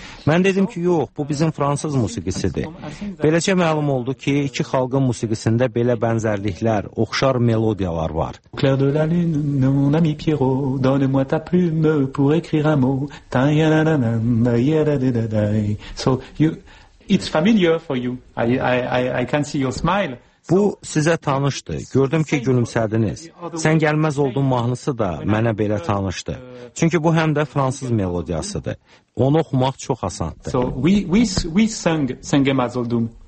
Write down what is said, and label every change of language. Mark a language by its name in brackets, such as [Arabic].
[Azerbaijani] Mən dedim ki, yox, bu bizim fransız musiqisidir. Beləcə məlum oldu ki, iki xalqın musiqisində belə bənzərliklər, oxşar melodiyalar var. [French] Clair de la lune, mon ami Pierrot, donne-moi ta plume pour écrire un mot. Ta ya la la la, ya la da da da. [English] So you, it's familiar for you. I can see your smile. [Azerbaijani] Bu sizə tanışdı. Gördüm ki, gülümsədiniz. Sən gəlməz oldun mahnısı da mənə belə tanışdı. Çünki bu həm də fransız melodiyasıdır. Onu oxumaq çox asandır. [English] So we sang sen gəlməz oldun.